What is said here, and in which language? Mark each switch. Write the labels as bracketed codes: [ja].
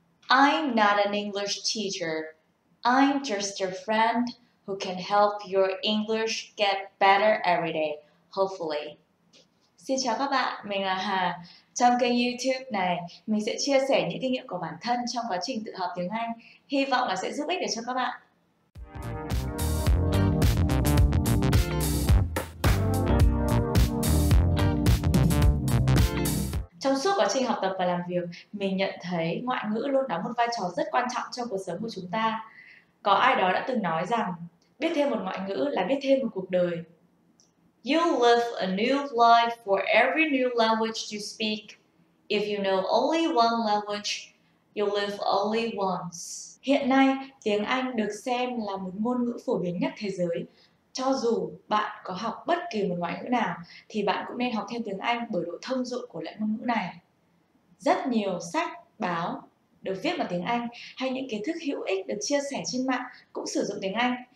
[en] I'm not an English teacher. I'm just a friend who can help your English get better every day, hopefully. [vi] Xin chào các bạn, mình là Hà. Trong kênh YouTube này, mình sẽ chia sẻ những kinh nghiệm của bản thân trong quá trình tự học tiếng Anh. Hy vọng là sẽ giúp ích được cho các bạn. Trong suốt quá trình học tập và làm việc, mình nhận thấy ngoại ngữ luôn đóng một vai trò rất quan trọng trong cuộc sống của chúng ta. Có ai đó đã từng nói rằng, biết thêm một ngoại ngữ là biết thêm một cuộc đời. [en] You live a new life for every new language you speak. If you know only one language, you live only once. [vi] Hiện nay, tiếng Anh được xem là một ngôn ngữ phổ biến nhất thế giới. Cho dù bạn có học bất kỳ một ngoại ngữ nào, thì bạn cũng nên học thêm tiếng Anh bởi độ thông dụng của loại ngôn ngữ này. Rất nhiều sách, báo được viết bằng tiếng Anh hay những kiến thức hữu ích được chia sẻ trên mạng cũng sử dụng tiếng Anh.